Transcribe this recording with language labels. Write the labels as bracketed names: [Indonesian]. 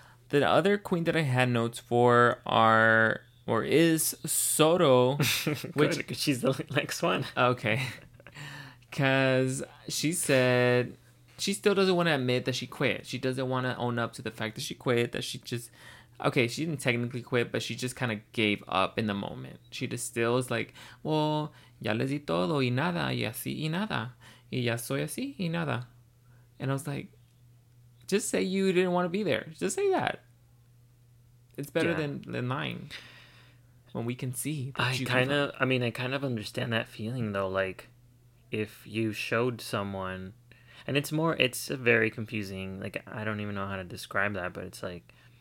[English] The other queen that I had notes for is Soto. Which, good, she's the next one. Okay. Because she said she still doesn't want to admit that she quit. She doesn't want to own up to the fact that she quit, that she just... Okay, she didn't technically quit, but she just kind of gave up in the moment. She just still is like, well, [Spanish] ya les di todo y nada, y así y nada, y ya soy así y nada. [English] And I was like, just say you didn't want to be there. Just say that. It's better than lying. When we can see. I kind of understand that feeling, though. Like, if you showed someone, and it's a very confusing, like, I don't even know how to describe that, but it's like,